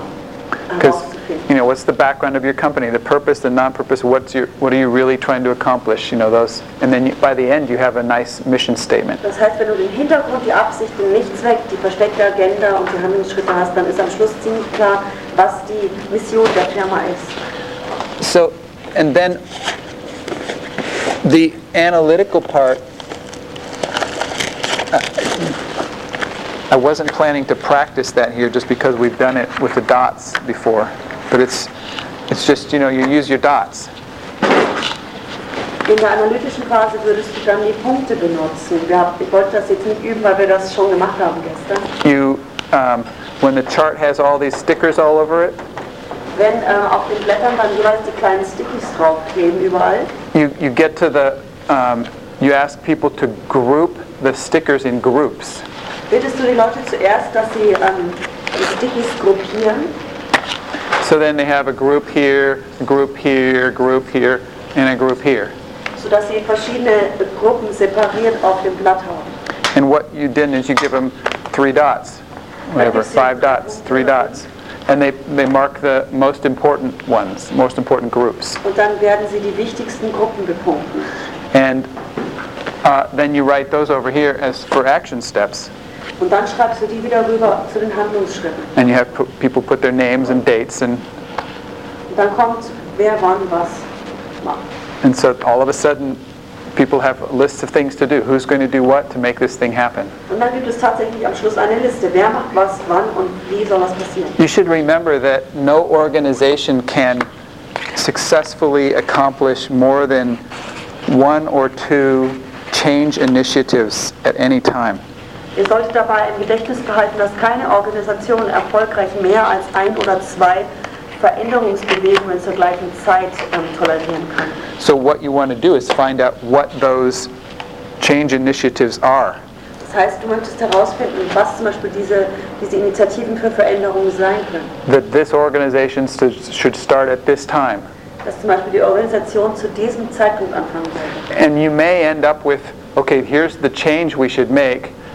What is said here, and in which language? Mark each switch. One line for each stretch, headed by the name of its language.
German: herauszufinden.
English: You know, what's the background of your company, the purpose, the non-purpose, what are you really trying to accomplish, you know, those. And then by the end you have a nice mission statement.
German: Das heißt, wenn du den Hintergrund, die Absicht, den Nichtzweck, die versteckte Agenda und die Handlungsschritte hast, dann ist am Schluss ziemlich klar, was die Mission der Firma ist.
English: So, and then the analytical part, I wasn't planning to practice that here just because we've done it with the dots before, but it's just, you know, you use your dots.
German: In der analytischen Phase würdest du dann die Punkte benutzen. Ich wollte das jetzt nicht üben, weil wir das schon gemacht haben gestern.
English: You, when the chart has all these stickers all over it,
German: wenn auf den Blättern dann jeweils die kleinen Stickies draufkleben überall.
English: You get to the, you ask people to group the stickers in groups.
German: Bittest du die Leute zuerst, dass sie die Stickies gruppieren?
English: So then they have a group here, a group here, a group here, and a group here.
German: So dass sie verschiedene Gruppen separiert auf dem Blatt haben.
English: And what you did is you give them three dots, whatever, five dots, three dots. And they mark the most important ones, most important groups.
German: Und dann werden sie die wichtigsten Gruppen gepunkten.
English: And then you write those over here as for action steps.
German: Und dann schreibst du die wieder rüber zu den Handlungsschritten.
English: And you have people put their names and dates and.
German: Und dann kommt, wer wann was macht.
English: And so all of a sudden, people have lists of things to do. Who's going to do what to make this thing happen?
German: Und dann gibt es tatsächlich am Schluss eine Liste. Wer macht was, wann und wie soll was passieren?
English: You should remember that no organization can successfully accomplish more than one or two change initiatives at any time.
German: Ihr solltet dabei im Gedächtnis behalten, dass keine Organisation erfolgreich mehr als ein oder zwei Veränderungsbewegungen zur gleichen Zeit tolerieren kann.
English: So what you want to do is find out what those change initiatives are.
German: Das heißt, du möchtest herausfinden, was zum Beispiel diese Initiativen für Veränderungen sein können.
English: That this organization should start at this time.
German: Dass zum Beispiel die Organisation zu diesem Zeitpunkt anfangen sollte.
English: And you may end up with, okay, here's the change we should make.